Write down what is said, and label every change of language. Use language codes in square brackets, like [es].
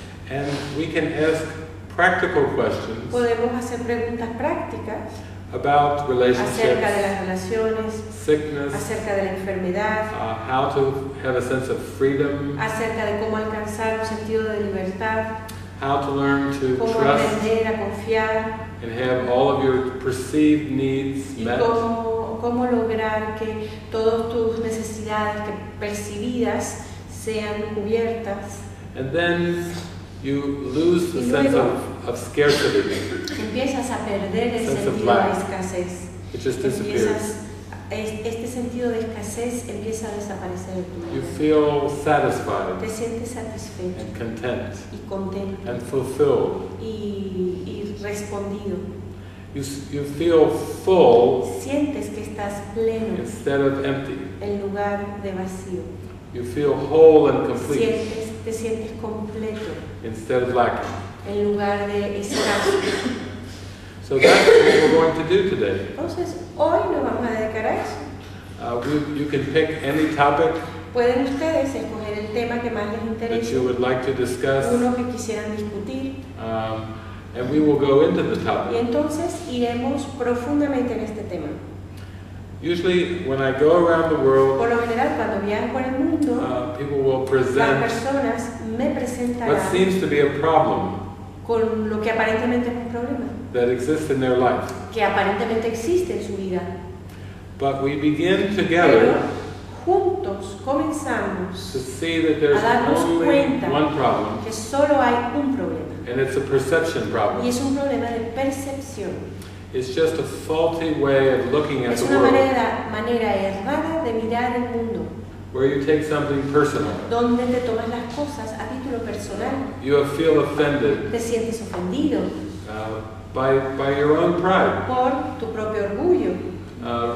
[en] And we can ask practical questions. [es] Podemos hacer preguntas prácticas. [en] About relationships. [es] Acerca de las relaciones. [en] Sickness. [es] Acerca de la enfermedad. [en] How to have a sense of freedom. [es] Acerca de cómo alcanzar un sentido de libertad. [en] How to learn to [es] cómo [en] trust. [es] Cómo aprender a confiar. [en] And have all of your perceived needs met. [es] Y cómo lograr que todas tus necesidades que percibidas sean cubiertas. [en] And then you lose the sense of scarcity. [es] Empiezas a perder el sentido de escasez. [en] It just disappears. [es] Este sentido de escasez empieza a desaparecer en tu vida. [en] You feel satisfied. [es] Te sientes satisfecho. [en] And content. [es] Y contento. [en] And fulfilled. [es] Y respondido. [en] You feel full. [es] Sientes que estás pleno. [en] Instead of empty. [es] En lugar de vacío. [en] You feel whole and complete. [es] Te sientes completo. [en] Instead of lacking. [es] En lugar de escaso. [en] So that's what we're going to do today. [es] Entonces, hoy nos vamos a dedicar a eso. [en] You can pick any topic. [es] Pueden ustedes escoger el tema que más les interese. [en] That you would like to discuss. [es] Uno que quisieran discutir. [en] And we will go into the topic. [es] Y entonces iremos profundamente en este tema. [en] Usually, when I go around the world, [es] por lo general, cuando viajo por el mundo, [en] people will present [es] las personas me presentarán [en] what seems to be a problem [es] con lo que aparentemente es un problema [en] that exists in their life. [es] Que aparentemente existe en su vida. [en] But we begin together [es] pero juntos comenzamos [en] to see that there's [es] a darnos [en] only [es] cuenta [en] one problem, [es] que solo hay un problema. [en] And it's a perception problem. [es] Y es un problema de percepción. [en] It's just a faulty way of looking at [es] es [en] the world. [es] Es una manera errada de mirar el mundo. [en] Where you take something personal. [es] Donde te tomas las cosas a título personal. [en] You feel offended. [es] Te sientes ofendido. [en] By your own pride. [es] Por tu propio orgullo.